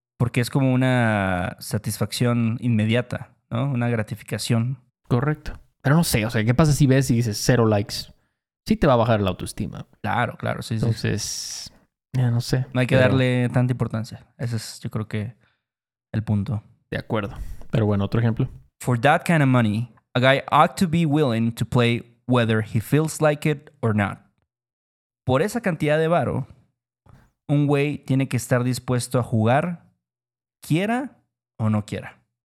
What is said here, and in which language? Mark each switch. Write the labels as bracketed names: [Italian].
[Spanish] Porque es como una satisfacción inmediata, ¿no? Una gratificación. Correcto. Pero no sé, o sea, ¿qué pasa si ves y dices 0 likes? Sí te va a bajar la autoestima. Claro, claro, sí. Entonces, ya no sé. No hay que darle tanta importancia. Ese es, yo creo que, el punto. De acuerdo. Pero bueno, otro ejemplo. [English] For that kind of money, a guy ought to be willing to play whether he feels like it or not. [Spanish] Por esa cantidad de varo, un güey tiene que estar dispuesto a jugar, quiera o no quiera.